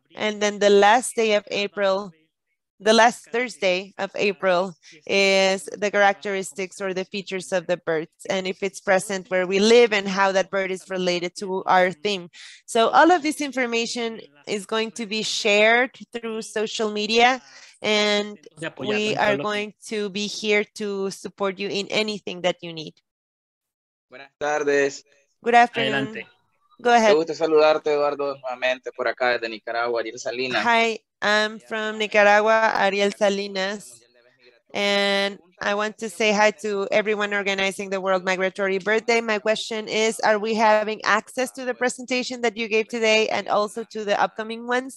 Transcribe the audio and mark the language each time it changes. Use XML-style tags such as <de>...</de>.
<en>And then the last day of April, the last Thursday of April, is the characteristics or the features of the birds, and if it's present where we live and how that bird is related to our theme. So all of this information is going to be shared through social media, and we are going to be here to support you in anything that you need.</en> <es>Buenas tardes.</es> <en>Good afternoon.</en> <es>Adelante.</es> <en>Go ahead.</en> <es>Me gusta saludarte, Eduardo, nuevamente por acá desde Nicaragua, Ariel Salinas.</es> <en>Hi, I'm from Nicaragua, Ariel Salinas. And I want to say hi to everyone organizing the World Migratory Bird Day. My question is, are we having access to the presentation that you gave today and also to the upcoming ones?</en>